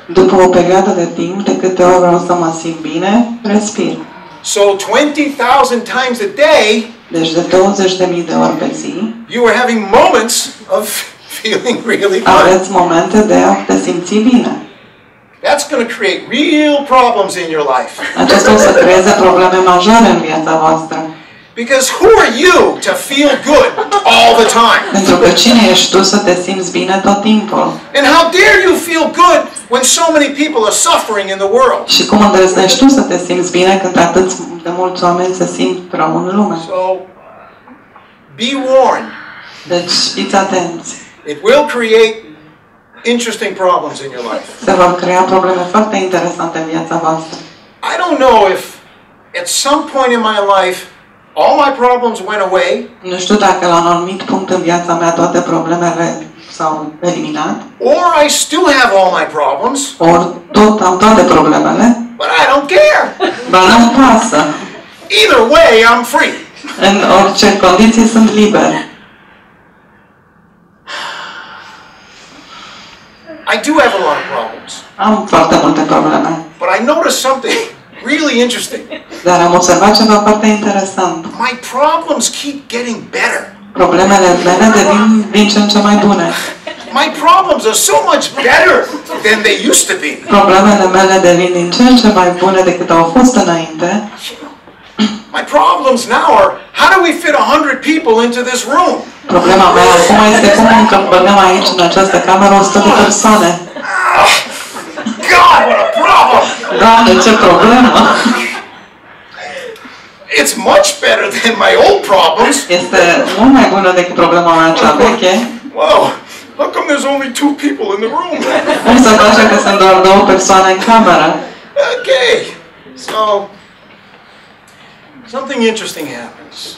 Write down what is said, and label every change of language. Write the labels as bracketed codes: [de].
[ro] După o perioadă de timp, de câte ori vreau să mă simt bine, respir. [en] So 20,000 times a day. [ro] Deci de 20,000 de ori pe zi. [en] You were having moments of feeling really good. [ro] Aveți momente de a te simți bine. [en] That's going to create real problems in your life. [ro] Acesta o să creeze probleme majore în viața voastră. [en] Because who are you to feel good all the time? [ro] Pentru că cine ești tu să te simți bine tot timpul? [en] And how dare you feel good when so many people are suffering in the world? [ro] Și cum îndrăznești tu să te simți bine când atât de mulți oameni se simt rău în lume? [en] So, be warned. [ro] Deci, fiți atenți. [en] It will create interesting problems in your life. [ro] Se vor crea probleme foarte interesante în viața voastră. [en] I don't know if at some point in my life all my problems went away. [ro] Nu știu dacă la un anumit punct în viața mea toate problemele s-au eliminat. [en] Or I still have all my problems. [ro] Or tot am toate problemele. [en] But I don't care. [ro] Dar nu-mi pasă. [en] Either way, I'm free. [ro] În orice condiție sunt liber. [en] I do have a lot of problems. [ro] Am foarte multe probleme. [en] But I noticed something really interesting. [ro] Dar am observat ceva foarte interesant. [en] My problems keep getting better. [ro] Problemele mele devin din ce în ce mai bune. [en] My problems are so much better than they used to be. [ro] Problemele mele devin din ce în ce mai bune decât au fost înainte. [en] My problems now are how do we fit 100 people into this room? [ro] Problema mea acum este cum încălbăm aici în această cameră 100 de persoane. [en] God, what a problem! [ro] Doamne, ce problemă! [en] It's much better than my old problems. [ro] Este mult mai bună decât problema mea cea veche. [en] Wow, how come there's only 2 people in the room? [ro] Cum se face că sunt doar 2 persoane în cameră? [en] Okay, so something interesting happens.